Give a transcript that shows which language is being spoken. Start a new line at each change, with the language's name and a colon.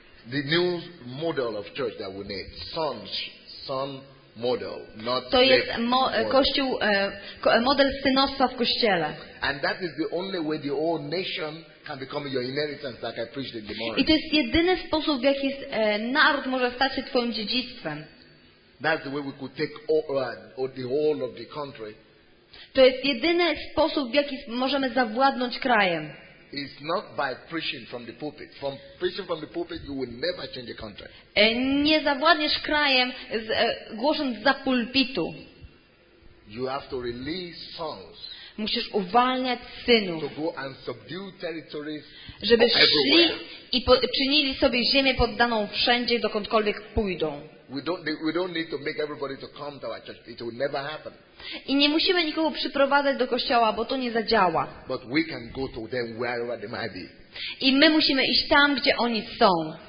English: The new model of church that we need. Son model, not
Polish: to jest kościół, model synostwa w kościele.
English: And that is the only way the whole nation can become your inheritance, like I preached in the morning.
Polish: I to jest jedyny sposób, w jaki naród może stać się twoim dziedzictwem.
English: That's the way we could take all, the whole of the country.
Polish: To jest jedyny sposób, w jaki możemy zawładnąć krajem.
English: It's not by preaching from the pulpit. From preaching from the pulpit, you will never change the country.
Polish: Nie zawładniesz krajem głosząc za pulpitu.
English: You have to release sons.
Polish: Musisz uwalniać synów.
English: To go and subdue territories.
Polish: Żeby szli i czynili sobie ziemię poddaną wszędzie, dokądkolwiek pójdą.
English: We don't need to make everybody to come to our church. It will never happen.
Polish: I nie musimy nikogo przyprowadzać do kościoła, bo to nie zadziała.
English: But we can go to them wherever they might be.
Polish: I my musimy iść tam, gdzie oni są.